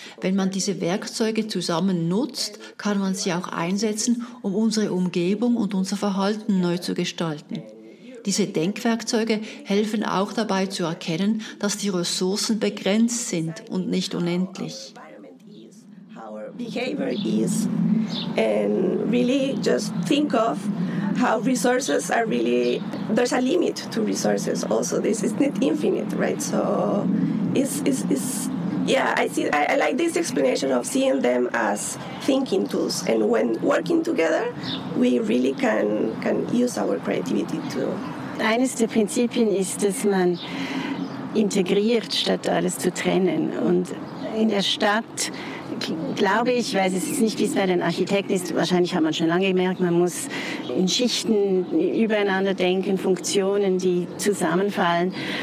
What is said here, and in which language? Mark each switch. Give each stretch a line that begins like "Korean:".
German: Wenn man diese Werkzeuge zusammen nutzt, kann man sie auch einsetzen, um unsere Umgebung und unser Verhalten neu zu gestalten. Diese Denkwerkzeuge helfen auch dabei zu erkennen, dass die Ressourcen begrenzt sind und nicht unendlich.
English: Our behavior is and really just think of how resources are really, there's a limit to resources also, this is not infinite, right? So it's yeah, I like this explanation of seeing them as thinking tools, and when working together we really can use our creativity too.
German: Eines der Prinzipien ist, dass man integriert statt alles zu trennen, und in der Stadt glaube ich, weiß es nicht, wie es bei den Architekten ist, wahrscheinlich hat man schon lange gemerkt, man muss in Schichten übereinander denken, Funktionen, die zusammenfallen.